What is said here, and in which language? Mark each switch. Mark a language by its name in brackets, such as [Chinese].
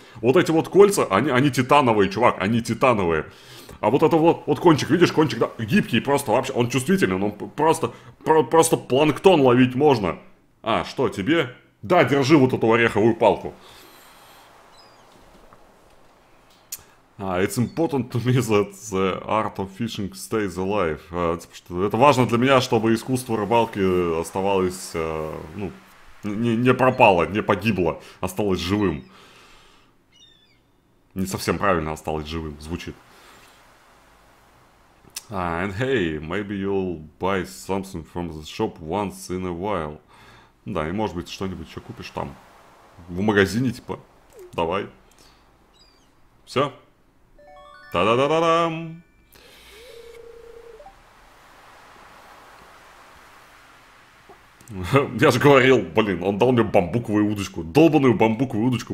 [Russian] Вот эти вот кольца, они титановые, чувак, они титановые. А вот это вот кончик, видишь, кончик, да, гибкий просто вообще. Он чувствительный, он просто планктон ловить можно. А, что, тебе? Да, держи вот эту ореховую палку. [English] It's important to me that the art of fishing stays alive. [Russian] Это важно для меня, чтобы искусство рыбалки оставалось, ну, не пропало, не погибло, осталось живым. Не совсем правильно осталось живым, звучит. [English] And hey, maybe you'll buy something from the shop once in a while. [Russian] Да, и может быть что-нибудь еще купишь там. В магазине, типа. Давай. Все. Та-да-да-да-дам! Я же говорил, блин, он дал мне бамбуковую удочку. Долбаную бамбуковую удочку.